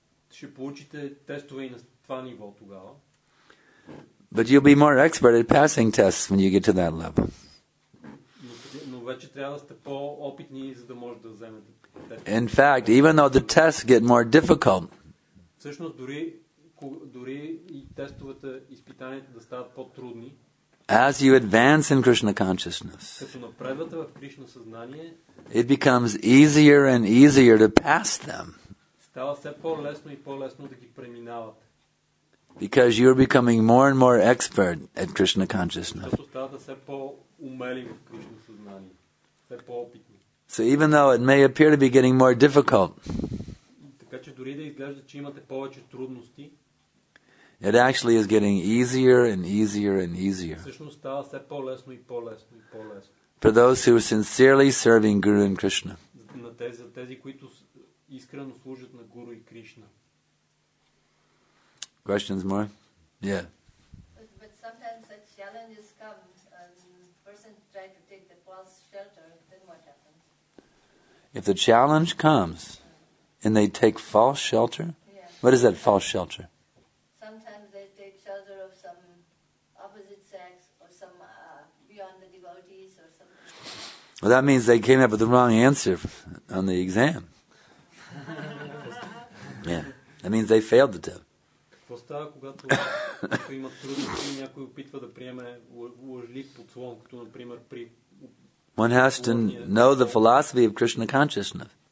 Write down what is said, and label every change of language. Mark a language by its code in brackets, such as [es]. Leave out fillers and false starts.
[bg] Ще получите тестове и на това ниво тогава. [en] But you'll be more expert at passing tests when you get to that level. [bg] Но вече трябва да сте по-опитни, за да може да вземете. [en] In fact, even though the tests get more difficult, [bg] всъщност дори и тестовете, изпитанията да стават по-трудни, [en] as you advance in Krishna consciousness, [bg] като напредвате в Кришна съзнание, [en] it becomes easier and easier to pass them. [bg] Става все по-лесно и по-лесно да ги преминавате. [en] Because you are becoming more and more expert at Krishna consciousness. [bg] Защото ставате все по-умели в Кришна съзнание, все по-опитни. [en] So even though it may appear to be getting more difficult, [bg] така че дори да изглежда, че имате повече трудности, [en] it actually is getting easier and easier and easier. [bg] Всъщност става все по-лесно и по-лесно и по-лесно. [en] For those who are sincerely serving Guru and Krishna. [bg] За тези, които искрено служат на Гуру и Кришна. [en] Questions more? Yeah. But sometimes the challenges come and person try to take the false shelter. If the challenge comes and they take false shelter, yes. What is that false shelter? Sometimes they take shelter of some opposite sex or some beyond the devotees or something. Well, that means they came up with the wrong answer on the exam. Yeah, that means they failed the test. What [bg] става, когато има трудност и някой опитва да приеме лъжлив подслон, като например при... [en] One has to know the philosophy of Krishna consciousness.